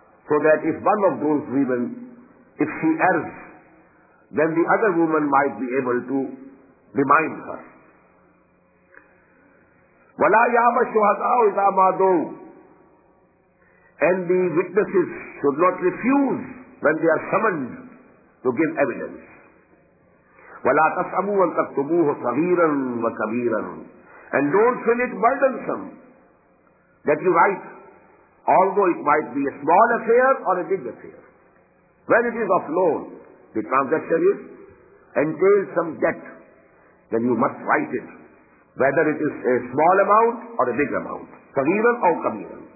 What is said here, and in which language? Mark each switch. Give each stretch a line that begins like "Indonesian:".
English: So that if one of those women, if she errs, then the other woman might be able to remind her.
Arabic: وَلَا يَعْمَ الشُّهَدَاءُ إِذَا مَا دُوْ.
English: And the witnesses should not refuse when they are summoned to give evidence.
Arabic: وَلَا تَسْأَمُوا أَن تَكْتُبُوهُ صَغِيرًا وَكَبِيرًا.
English: And don't feel it burdensome that you write, although it might be a small affair or a big affair. When it is of loan, the transaction is entails some debt, then you must write it, whether it is a small amount or a big amount,
Arabic: صَغِيرًا أَوْ كَبِيرًا.